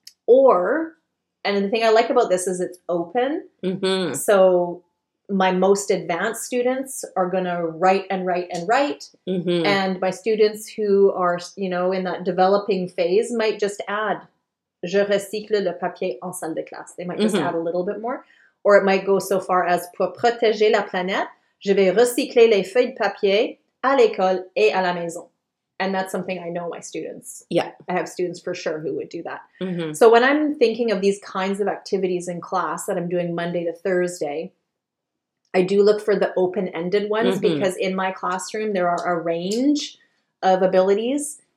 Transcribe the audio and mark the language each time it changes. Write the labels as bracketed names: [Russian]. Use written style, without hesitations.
[English] Or, and the thing I like about this is it's open. So my most advanced students are going to write and write and write. And my students who are, you know, in that developing phase might just add, [French] je recycle le papier en salle de classe. [English] They might just add a little bit more. Or it might go so far as, [French] pour protéger la planète, je vais recycler les feuilles de papier à l'école et à la maison. [English] And that's something I know my students. I have students for sure who would do that. So when I'm thinking of these kinds of activities in class that I'm doing Monday to Thursday, I do look for the open-ended ones because in my classroom there are a range of abilities.